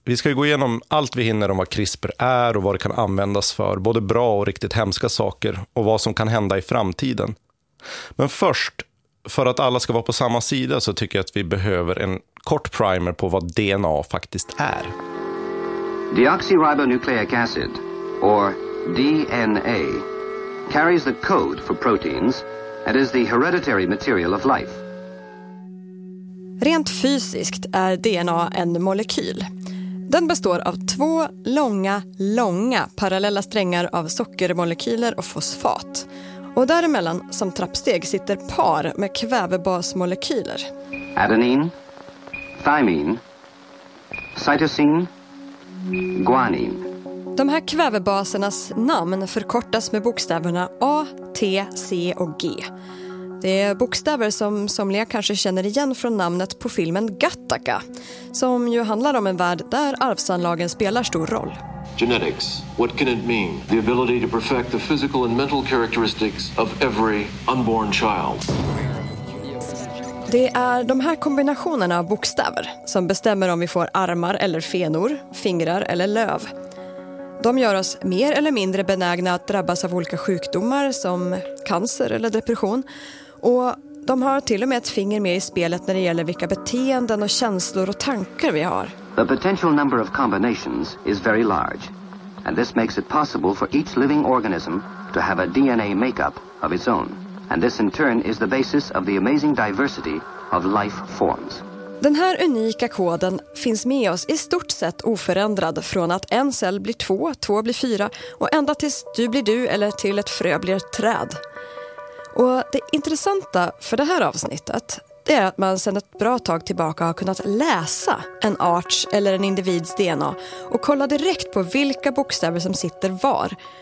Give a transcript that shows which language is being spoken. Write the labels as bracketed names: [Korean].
[Swedish] Vi ska ju gå igenom allt vi hinner om vad CRISPR är och vad det kan användas för. Både bra och riktigt hemska saker och vad som kan hända i framtiden. Men först, för att alla ska vara på samma sida, så tycker jag att vi behöver en kort primer på vad DNA faktiskt är. [English] Deoxyribonucleic acid, or DNA, carries the code for proteins and is the hereditary material of life. [Swedish] Rent fysiskt är DNA en molekyl. Den består av 2 långa parallella strängar av sockermolekyler och fosfat. Och däremellan, som trappsteg, sitter par med kvävebasmolekyler. Adenin, thymin, cytosin, guanin. De här kvävebasernas namn förkortas med bokstäverna A, T, C och G. Det är bokstäver som somliga kanske känner igen från namnet på filmen Gattaca, som ju handlar om en värld där arvsanlagen spelar stor roll. [English] Genetics, what can it mean? The ability to perfect the physical and mental characteristics of every unborn child. [Swedish] Det är de här kombinationerna av bokstäver som bestämmer om vi får armar eller fenor, fingrar eller löv. De gör oss mer eller mindre benägna att drabbas av olika sjukdomar som cancer eller depression. Och de har till och med ett finger med i spelet när det gäller vilka beteenden och känslor och tankar vi har. [English] The potential number of combinations is very large. And this makes it possible for each living organism to have a DNA makeup of its own. And this in turn is the basis of the amazing diversity of life forms. [Swedish] Den här unika koden finns med oss i stort sett oförändrad från att en cell blir två, två blir fyra och ända tills du blir du eller till ett frö blir ett träd. Och det intressanta för det här avsnittet är att man sedan ett bra tag tillbaka har kunnat läsa en arts eller en individs DNA och kolla direkt på vilka bokstäver som sitter var.